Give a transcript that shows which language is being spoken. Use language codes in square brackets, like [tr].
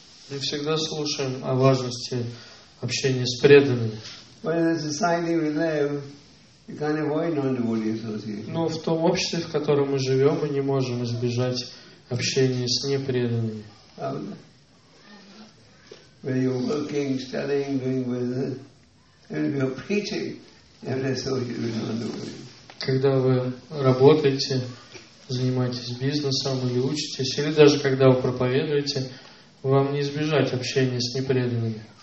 [ru] Мы всегда слушаем о важности общения с преданными. Но в том обществе, в котором мы живем, мы не можем избежать общение с непреданными. [en] When you're working, studying, doing business, and you're preaching, every associate with non-devotee. [ru] Когда вы работаете, занимаетесь бизнесом или учитесь, или даже когда вы проповедуете, вам не избежать общения с непреданными.